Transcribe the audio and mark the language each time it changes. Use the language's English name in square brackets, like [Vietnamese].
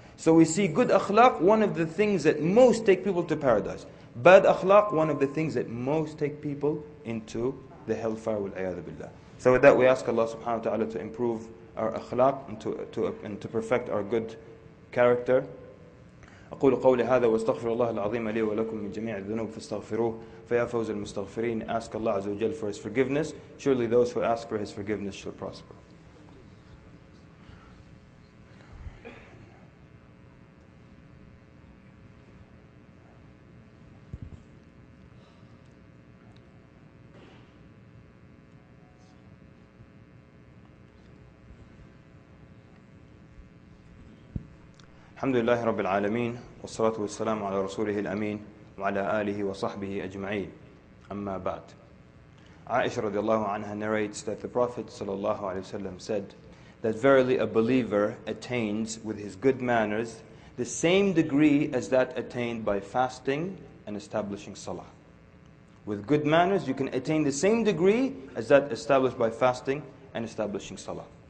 [English] So we see good akhlaq, one of the things that most take people to paradise. Bad akhlaq, one of the things that most take people into the hellfire, wal'ayadu billah. So with that, we ask Allah subhanahu wa ta'ala to improve our akhlaq and to perfect our good character. [Arabic] أقول قولي هذا واستغفر الله العظيم لي ولكم من جميع الذنوب فاستغفروه فيا فوز المستغفرين. [English] Ask Allah عز وجل for His forgiveness. Surely those who ask for His forgiveness shall prosper. [Arabic] الحمد لله رب العالمين والصلاة والسلام على رسوله الأمين وعلى آله وصحبه أجمعين أما بعد. [English] عائشة رضي الله عنها narrates that the Prophet صلى الله عليه وسلم said that verily a believer attains with his good manners the same degree as that attained by fasting and establishing salah. With good manners you can attain the same degree as that established by fasting and establishing salah.